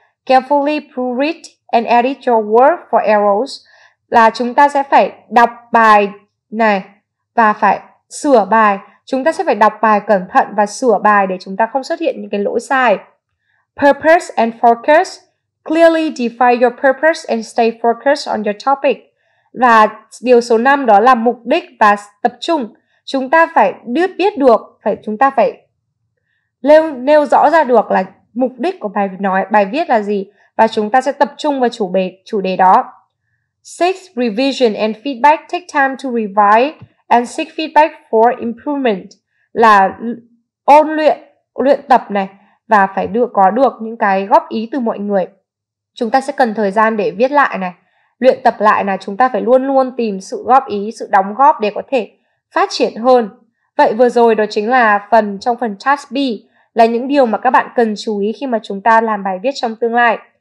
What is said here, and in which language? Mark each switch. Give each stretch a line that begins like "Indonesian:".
English: Carefully proofread and edit your work for errors.
Vietnamese: Là chúng ta sẽ phải đọc bài này và phải sửa bài. Chúng ta sẽ phải đọc bài cẩn thận và sửa bài để chúng ta không xuất hiện những cái lỗi sai.
English: Purpose and focus. Clearly define your purpose and stay focused on your topic.
Vietnamese: Và điều số 5 đó là mục đích và tập trung. Chúng ta phải biết được, chúng ta phải nêu rõ ra được là mục đích của bài viết là gì và chúng ta sẽ tập trung vào chủ đề đó.
English: 6. Revision and feedback. Take time to revise and seek feedback for improvement.
Vietnamese: Là ôn luyện tập này và phải có được những cái góp ý từ mọi người. Chúng ta sẽ cần thời gian để viết lại này, luyện tập lại này. Chúng ta phải luôn luôn tìm sự góp ý, sự đóng góp để có thể phát triển hơn. Vậy vừa rồi đó chính là phần trong phần task B, là những điều mà các bạn cần chú ý khi mà chúng ta làm bài viết trong tương lai.